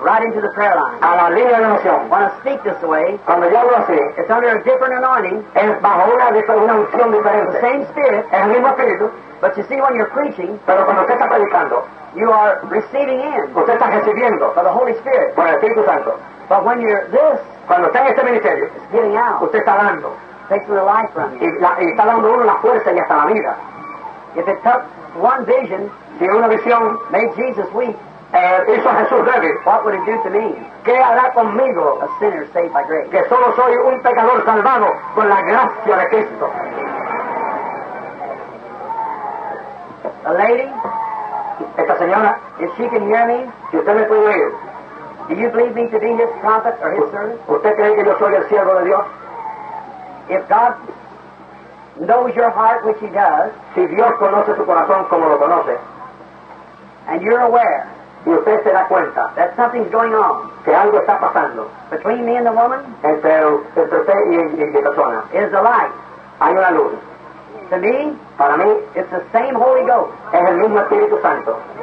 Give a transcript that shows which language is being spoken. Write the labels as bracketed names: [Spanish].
[English] Right into the prayer line. [Spanish] A la línea de oración. [English] When I speak this way, [Spanish] cuando yo hablo así, [English] it's under a different anointing. [Spanish] Es bajo una unción diferente. [English] The same spirit. [Spanish] El mismo espíritu. [English] But you see, when you're preaching, [Spanish] pero cuando usted está predicando, [English] you are receiving in. [Spanish] Usted está recibiendo. [English] For the Holy Spirit. [Spanish] Por el Espíritu Santo. [English] But when you're this, [Spanish] cuando está en este ministerio, [English] it's getting out. [Spanish] Usted está dando. [English] Takes the life from you. [Spanish] Y está dando uno la fuerza y hasta la vida. [English] If it took one vision, [Spanish] si una visión [English] made Jesus weak, [Spanish] hizo a Jesús débil, [English] what would it do to me? [Spanish] ¿Qué hará conmigo? [English] A sinner saved by grace. [Spanish] Que solo soy un pecador salvado por la gracia de Cristo. [English] A lady, [Spanish] esta señora, [English] if she can hear me, [Spanish] si usted me puede oír, [English] do you believe me to be his prophet or his servant? [Spanish] ¿Usted cree que yo soy el siervo de Dios? [English] If God knows your heart, which He does, [Spanish] si Dios conoce tu corazón como lo conoce, [English] and you're aware, [Spanish] y usted se da cuenta, [English] that something's going on, [Spanish] que algo está pasando, [English] between me and the woman, [Spanish] entre usted y mi persona, [English] is the light, [Spanish] hay una luz. [English] To me, [Spanish] para mí, [English] it's the same Holy Ghost, [Spanish] es el mismo Espíritu Santo,